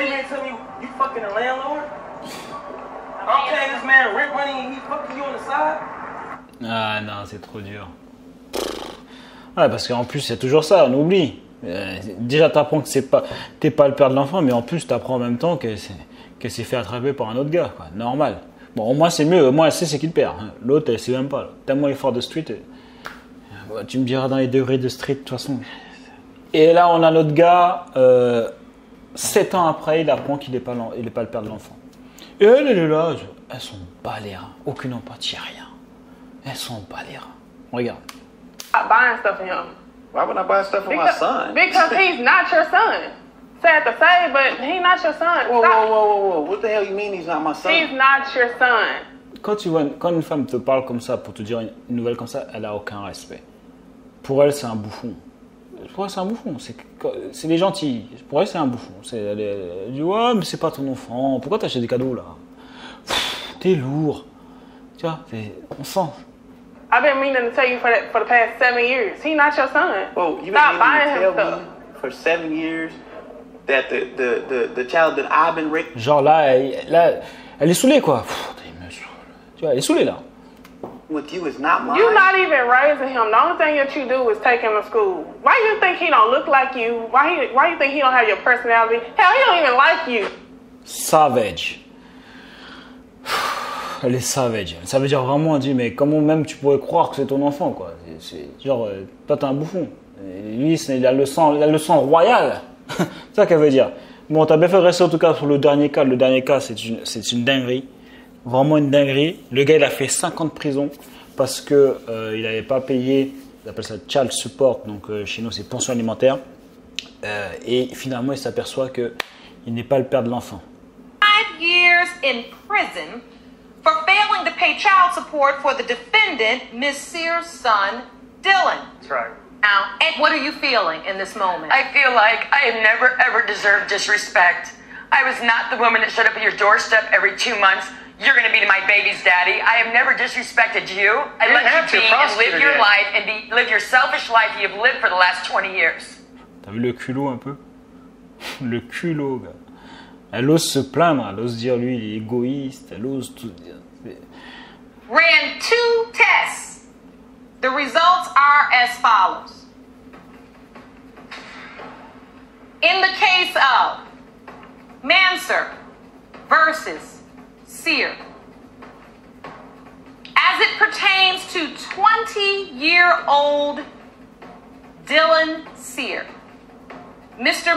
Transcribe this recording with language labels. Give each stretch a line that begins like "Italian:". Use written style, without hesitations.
English: So you ain't tell me you fucking a landlord? I'm paying this man rent money and he fucking you on the side?
French: Ah non, c'est trop dur. Ouais, parce qu'en plus, c'est toujours ça, on oublie. Déjà, t'apprends que t'es pas le père de l'enfant, mais en plus, t'apprends en même temps qu'elle s'est fait attraper par un autre gars, quoi. Normal. Bon, au moins, c'est mieux. Au moins, elle sait c'est qui le père. L'autre, elle sait même pas. Tellement effort de street. Bon, tu me diras dans les degrés de street, de toute façon. Et là, on a notre gars. 7 ans après, il apprend qu'il n'est pas le père de l'enfant. Et elle, elle est là. Elles sont balères. Aucune empathie, rien. Elles sont balères. Regarde.
English: I'm buying stuff for him. Why would I buy stuff for because, my son? Because he's not your son. Sad to say, but he's not your son. Whoa. What the hell you mean he's not my son? He's not your son.
French: Quand une femme te parle comme ça, pour te dire une nouvelle comme ça, elle a aucun respect. Pour elle, c'est un bouffon. Pour elle, c'est un bouffon. C'est les gentils. Pour elle, c'est un bouffon. Elle dit, ouais, mais c'est pas ton enfant. Pourquoi t'achètes des cadeaux, là? T'es lourd. Tu vois, on sent.
English: I've been meaning to tell you for the past 7 years. He's not your son. Well, you've been meaning to tell me for 7 years that the child that I've been raised.
French: Genre là, elle est saoulée quoi. Pff, t'es mesure. Tu vois, elle est saoulée là.
English: With you is not mine. You're not even raising him. The only thing that you do is take him to school. Why you think he don't look like you? Why you think he don't have your personality? Hell, he don't even like you. Savage.
French: Elle est savage. Ça veut dire vraiment, elle dit, mais comment même tu pourrais croire que c'est ton enfant, quoi? C'est genre, toi, t'es un bouffon. Et lui, il a le sang royal. C'est ça qu'elle veut dire. Bon, t'as bien fait de rester en tout cas sur le dernier cas. Le dernier cas, c'est une dinguerie. Vraiment une dinguerie. Le gars, il a fait 5 ans de prison parce que il n'avait pas payé, on appelle ça child support, donc chez nous, c'est pension alimentaire. Et finalement, il s'aperçoit qu'il n'est pas le père de l'enfant.
English: 5 years in prison. For failing to pay child support for the defendant, Ms. Sears' son, Dylan. That's right. Now, and what are you feeling in this moment? I feel like I have never, ever deserved disrespect. I was not the woman that showed up at your doorstep every 2 months. You're going to be my baby's daddy. I have never disrespected you. I let you be and live your life and live your selfish life you've lived for the last 20 years.
French: T'as vu le culot un peu? Le culot, gars. Elle ose se plaindre, elle ose dire lui, il est égoïste, elle ose tout dire.
English: Ran two tests. The results are as follows. In the case of Manser versus Sear, as it pertains to 20-year-old Dylan Sear, Mr.